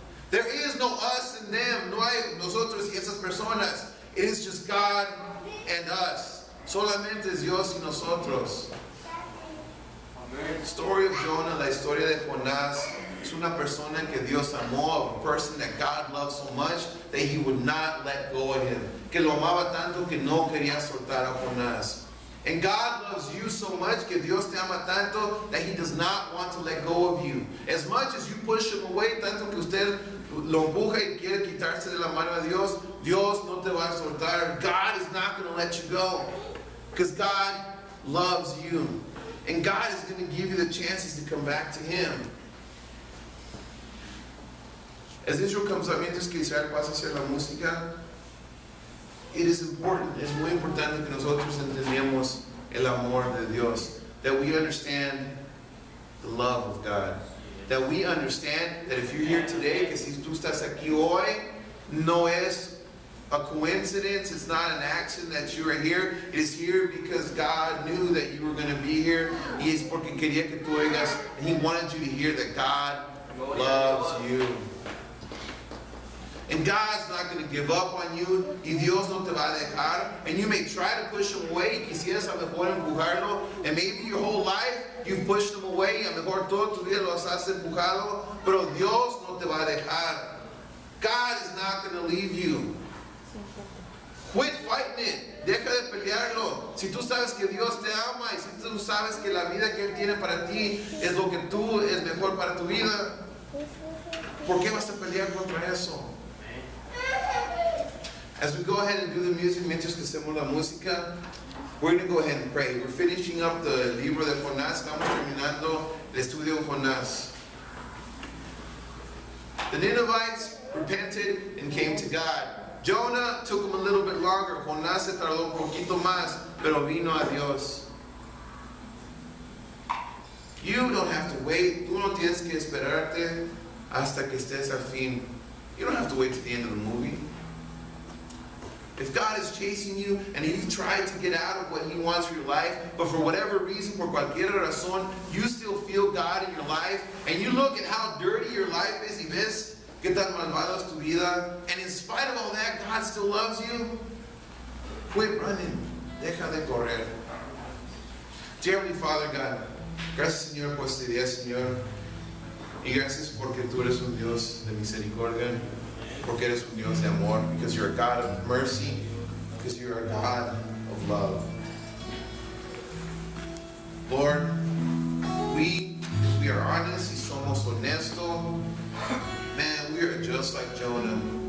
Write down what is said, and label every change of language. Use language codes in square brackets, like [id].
[en] There is no us and them. [es] No hay nosotros y esas personas. [en] It is just God and us. [es] Solamente es Dios y nosotros. [en] Amen. The story of Jonah, [es] la historia de Jonás, es una persona que Dios amó, [en] a person that God loved so much that he would not let go of him. [es] Que lo amaba tanto que no quería soltar a Jonás. [en] And God loves you so much, [es] que Dios te ama tanto, [en] that he does not want to let go of you. As much as you push him away, [es] tanto que usted lo empuja y quiere quitarse de la mano a Dios, Dios no te va a soltar. [en] God is not going to let you go. Because God loves you. And God is going to give you the chances to come back to him. As Israel comes up, [es] mientras que Israel pasa a hacer la música, [en] It is important. [es] Es muy importante que nosotros entendamos el amor de Dios. [en] That we understand the love of God. That we understand that if you're here today, [es] que si tú estás aquí hoy, no es [en] a coincidence. It's not an accident that you are here. It is here because God knew that you were going to be here. [es] Y es porque quería que tú oigas. [en] And He wanted you to hear that God loves you. And God's not going to give up on you. [es] Y Dios no te va a dejar. [en] And you may try to push Him away. [es] Quisieras a lo mejor empujarlo. [en] And maybe your whole life you've pushed Him away. [es] A lo mejor toda tu vida lo has empujado. Pero Dios no te va a dejar. [en] God is not going to leave you. Quit fighting it. [es] Deja de pelearlo. Si tú sabes que Dios te ama y si tú sabes que la vida que Él tiene para ti es lo que tú es mejor para tu vida, ¿por qué vas a pelear contra eso? [en] As we go ahead and do the music, [es] mientras que hacemos la música, [en] we're going to go ahead and pray. We're finishing up the libro de Jonás. [es] Estamos terminando el estudio de Jonás. [en] The Ninevites repented and came to God. Jonah took him a little bit longer. [es] Jonás se tardó un poquito más, pero vino a Dios. [en] You don't have to wait. [es] Tú no tienes que esperarte hasta que estés al fin. [en] You don't have to wait to the end of the movie. If God is chasing you and you've tried to get out of what He wants for your life, but for whatever reason, [es] por cualquier razón, [en] you still feel God in your life, and you look at how dirty your life is, [es] y ves que tan malvada es tu vida, [en] and in spite of all that, God still loves you, quit running. [es] Deja de correr. [en] Dear Heavenly Father God, [es] gracias Señor por este día, Señor. Y gracias porque tú eres un Dios de misericordia. Porque eres un Dios de amor, [en] because you're a God of mercy, because you're a God of love. Lord, if we are honest, [es] y somos honesto, [en] man, we are just like Jonah.